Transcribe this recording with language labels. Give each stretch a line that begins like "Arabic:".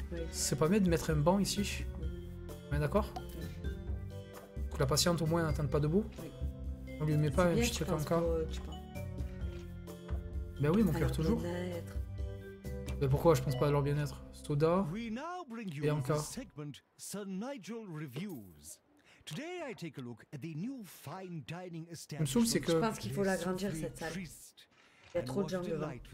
French: Oui. C'est pas mieux de mettre un banc ici ? Oui. Ouais, d'accord ? Oui. Que la patiente au moins n'attende pas debout ? Oui. On lui met c'est pas bien, un petit truc comme ça. Ben oui, mon cœur, toujours. Bien-être. Mais pourquoi je pense pas à leur bien-être ? Soda, Bianca.
English: Segment, Sir Nigel Reviews. Today I take a look at the new fine dining establishment.
French: Me soul, c'est que... Je pense qu'il faut l'agrandir, cette salle. Il y a trop de gens devant.